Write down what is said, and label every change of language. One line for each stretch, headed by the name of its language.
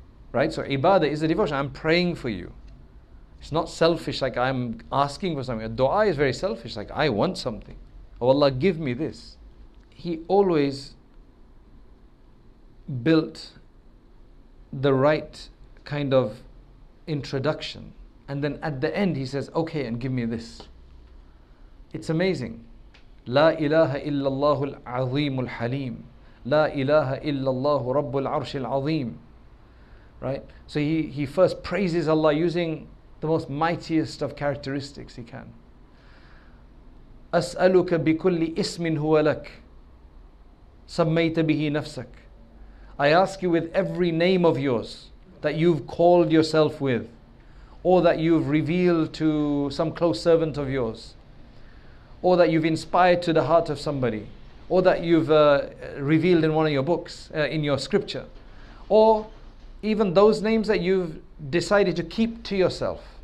English: Right? So ibadah is a devotion. I'm praying for you. It's not selfish, like I'm asking for something. A dua is very selfish, like I want something. Oh Allah, give me this. He always built the right kind of introduction. And then at the end he says, okay, and give me this. It's amazing.
Arabic: لا إله إلا الله العظيم الحليم. لا إله إلا الله رب العرش العظيم.
English: Right? So he first praises Allah using the most mightiest of characteristics he can.
Arabic: أسألك بكل اسم هو لك سميت به نفسك.
English: I ask you with every name of yours that you've called yourself with, or that you've revealed to some close servant of yours, or that you've inspired to the heart of somebody, or that you've revealed in one of your books, in your scripture, or even those names that you've decided to keep to yourself.